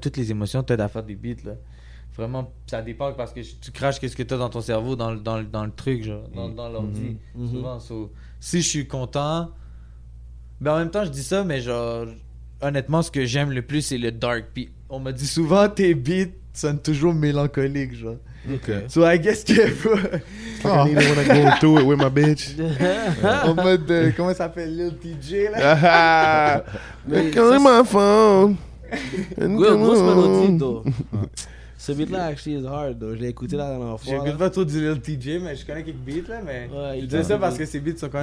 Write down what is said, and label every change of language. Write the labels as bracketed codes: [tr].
[fr] Toutes les émotions t'aident à faire des beats, là. Vraiment, ça dépend parce que tu craches qu'est-ce que t'as dans ton cerveau, dans le truc, genre, dans l'ordi, souvent. So, si je suis content, mais en même temps, je dis ça, mais genre, honnêtement, ce que j'aime le plus, c'est le dark. Puis on m'a dit souvent, tes beats sonnent toujours mélancoliques, genre. OK. So, [en] I guess [fr] que... [en] I don't even want to go into it with my bitch. [fr] En mode, comment ça s'appelle, Lil TJ, là? Mais, [en] calling my phone. [fr] Grosse mélodie, toi. Ce beat là, actually, [en] is hard, though. [fr] J'ai écouté là dans l'enfant. J'écoute pas trop du Lil TJ, mais je connais quelques beats là, mais. Ouais, je dis ça parce que ses beats sont quand même.